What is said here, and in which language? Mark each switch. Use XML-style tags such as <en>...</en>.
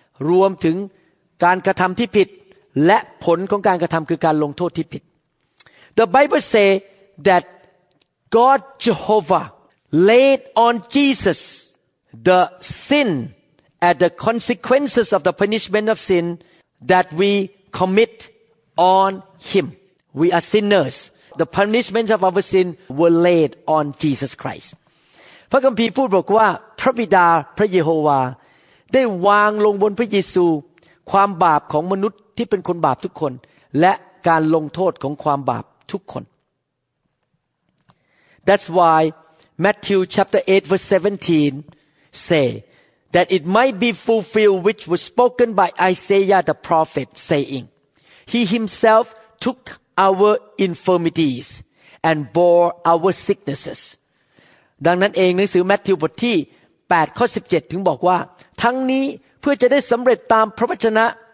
<th>รวมถึงการกระทำที่ผิดและผลของการกระทำคือการลงโทษที่ผิด</th> <en>The Bible say that God Jehovah laid on Jesus the sin and the consequences of the punishment of sin that we commit on Him. We are sinners. The punishment of our sin were laid on Jesus Christ.</en> <th>พระคัมภีร์พูดบอกว่าพระบิดาพระเยโฮวาได้วางลงบนพระเยซูความบาปของมนุษย์ที่เป็นคนบาปทุกคนและการลงโทษของความบาปทุกคน</th> <en>That's why Matthew chapter 8 verse 17 say that it might be fulfilled which was spoken by Isaiah the prophet saying He himself took our infirmities and bore our sicknesses</en> <th>ดังนั้นเองหนังสือแมทธิวบทที่8ข้อ17ถึงบอกว่าทั้งนี้เพื่อจะได้สำเร็จตามพระวจนะ</th>